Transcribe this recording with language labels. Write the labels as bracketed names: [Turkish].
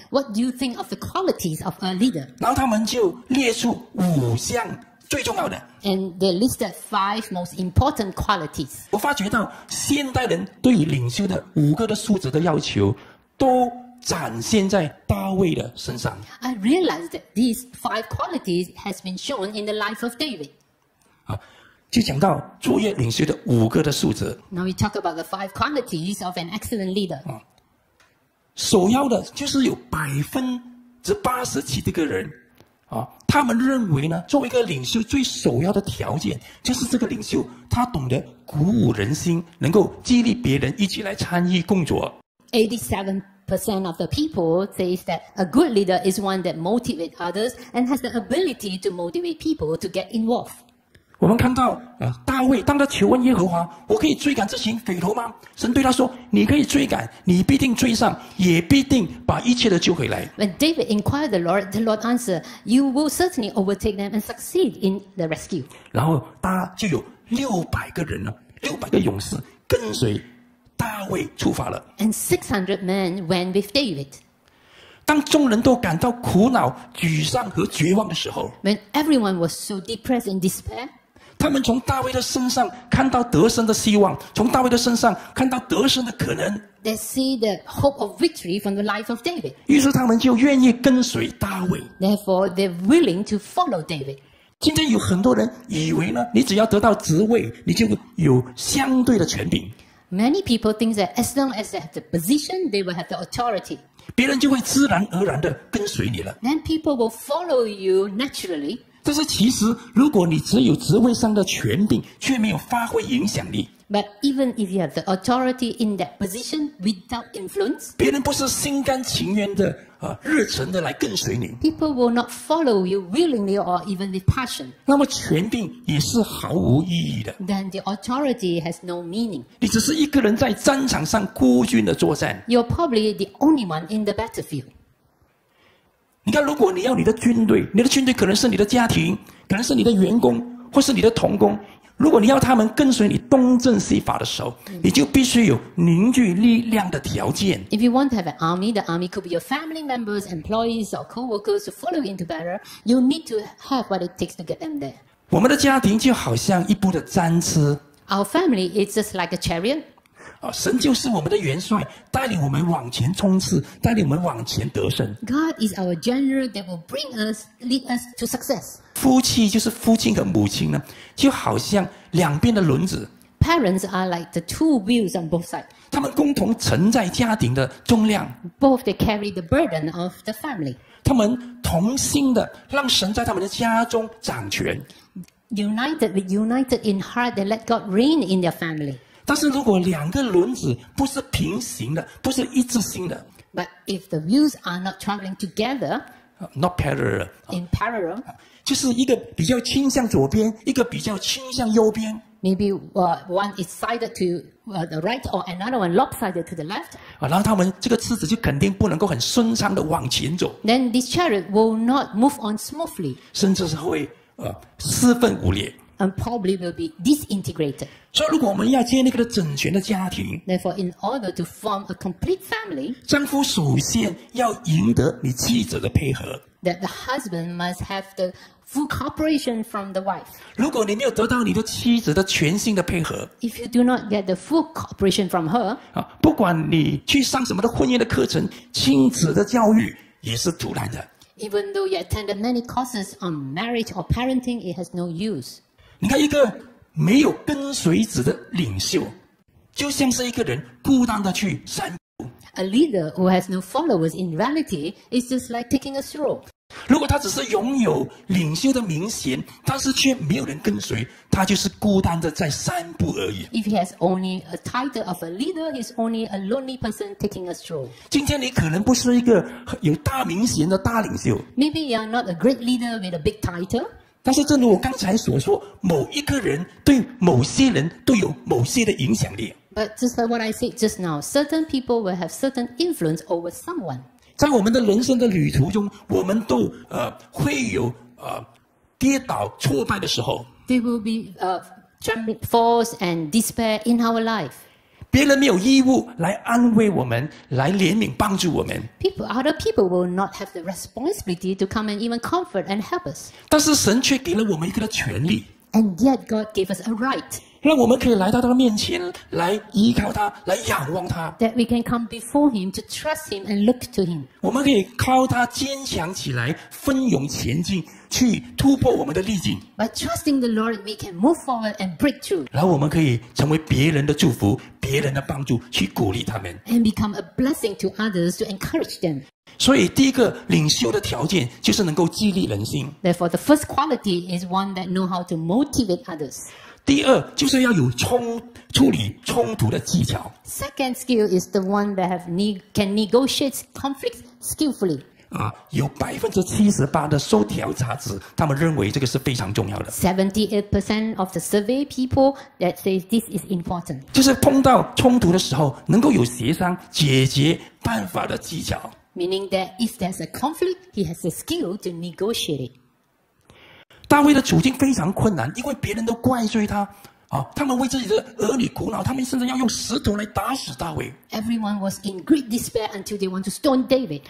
[English] ？What do you think of the qualities of a leader？ [Chinese] 然后他们就列出五项最重要的。 [English] And they listed five most important qualities. [Chinese] 我发觉到现代人对于领袖的五个的素质的要求。都展现在大卫的身上。 [English] I realized that these five qualities has been shown in the life of David. [Chinese] 就讲到卓越领袖的五个的素质。 [English] Now we talk about the five qualities of an excellent leader. [Chinese] 首要的就是有87%这个人，他们认为呢，作为一个领袖最首要的条件，就是这个领袖他懂得鼓舞人心，能够激励别人一起来参与工作。 [English] 87% of the people says that a good leader is one that motivates others and has the ability to motivate people to get involved. [Chinese] 我们看到大卫当他求问耶和华，我可以追赶这群匪徒吗？神对他说，你可以追赶，你必定追上，也必定把一切都救回来。 [English] When David inquired the Lord answered, "You will certainly overtake them and succeed in the rescue." [Chinese] 然后大就有600个人呢，600个勇士跟随。大卫出发了。 [English] And 600 men went with David. [Chinese] 当众人都感到苦恼、沮丧和绝望的时候 [English] ，When everyone was so depressed and despair， [Chinese] 他们从大卫的身上看到得胜的希望，从大卫的身上看到得胜的可能。 [English] They see the hope of victory from the life of David. [Chinese] 于是他们就愿意跟随大卫。 [English] Therefore, they're willing to follow David. [Chinese] 今天有很多人以为呢，你只要得到职位，你就有相对的权柄。 [English] Many people think that as long as they have the position, they will have the authority. [Chinese] 别人就会自然而然地跟随你了。 [English] Then people will follow you naturally. [Chinese] 但是其实如果你只有职位上的权柄却没有发挥影响力。 [English] But even if you have the authority in that position without influence, [Chinese] 别人不是心甘情愿的、热忱的来跟随你。 [English] People will not follow you willingly or even with passion. [Chinese] 那么权柄也是毫无意义的。 [English] Then the authority has no meaning. [Chinese] 你只是一个人在战场上孤军的作战。 [English] You're probably the only one in the battlefield. [Chinese] 你看，如果你要你的军队，你的军队可能是你的家庭，可能是你的员工，或是你的同工。如果你要他们跟随你东正西法的时候，你就必须有凝聚力量的条件。 [English] If you want to have an army, the army could be your family members, employees, or co-workers to follow into battle. You need to have what it takes to get them there. [Chinese] 我们的家庭就好像一部的战车。 [English] Our family is just like a chariot. [Chinese] 神就是我们的元帅，带领我们往前冲刺，带领我们往前得胜。 [English] God is our general that will bring us, lead us to success. [Chinese] 夫妻就是父亲和母亲呢，就好像两边的轮子。 [English] Parents are like the two wheels on both sides. [Chinese] 他们共同承载家庭的重量。 [English] Both they carry the burden of the family. [Chinese] 他们同心的让神在他们的家中掌权。 [English] United, with united in heart, they let God reign in their family. [Chinese] 但是如果两个轮子不是平行的，不是一致性的 [English] ，But if the wheels are not traveling together, not parallel, in parallel, [Chinese] 就是一个比较倾向左边，一个比较倾向右边。 [English] Maybe one is sided to the right, or another one lopsided to the left. [Chinese] 然后他们这个车子就肯定不能够很顺畅的往前走。 [English] Then this chariot will not move on smoothly. [Chinese] 甚至是会四分五裂。 [English] And probably will be disintegrated. [Chinese] 所以，如果我们要建立一个整全的家庭 [English] ，Therefore, in order to form a complete family, [Chinese] 丈夫首先要赢得你妻子的配合。 [English] That the husband must have the full cooperation from the wife. [Chinese] 如果你没有得到你的妻子的全心的配合 [English] ，If you do not get the full cooperation from her, [Chinese] 不管你去上什么的婚姻的课程，亲子的教育也是徒然的。 [English] Even though you attended many courses on marriage or parenting, it has no use. [Chinese] 你看，一个没有跟随者的领袖，就像是一个人孤单的去散步。 [English] A leader who has no followers in reality is just like taking a stroll. [Chinese] 如果他只是拥有领袖的名衔，但是却没有人跟随，他就是孤单的在散步而已。 [English] If he has only a title of a leader, he's only a lonely person taking a stroll. [Chinese] 今天你可能不是一个有大名衔的大领袖。 [English] Maybe you are not a great leader with a big title. [Chinese] 但是正如我刚才所说，某一个人对某些人都有某些的影响力。 [English] But just like what I said just now, certain people will have certain influence over someone. [Chinese] 在我们的人生的旅途中，我们都会有跌倒挫败的时候。 [English] There will be falls and despair in our life. [Chinese] 别人没有义务来安慰我们，来怜悯帮助我们。 [English] Other people will not have the responsibility to come and even comfort and help us. [Chinese] 但是神却给了我们一个权利。 [English] And yet God gave us a right. [Chinese] 让我们可以来到他的面前，来依靠他，来仰望他。 [English] That we can come before him to trust him and look to him. [Chinese] 我们可以靠他坚强起来，奋勇前进，去突破我们的逆境。 [English] By trusting the Lord, we can move forward and break through. [Chinese] 然后我们可以成为别人的祝福。别人的帮助去鼓励他们 [English] and become a blessing to others to encourage them. [Chinese] 所以第一个领袖的条件就是能够激励人心 [English] Therefore, the first quality is one that know how to motivate others. [Chinese] 第二就是要有处理冲突的技巧 [English] Second skill is the one that can negotiate conflicts skillfully. [Chinese] 有 78% 的受调查者他们认为这个是非常重要的 [English] 78% of the survey people that say this is important [Chinese] 就是碰到冲突的时候能够有协商解决办法的技巧 [English] meaning that if there's a conflict he has the skill to negotiate it [Chinese] 大卫的处境非常困难因为别人都怪罪他他们为自己的儿女苦恼他们甚至要用石头来打死大卫 [English] Everyone was in great despair until they want to stone David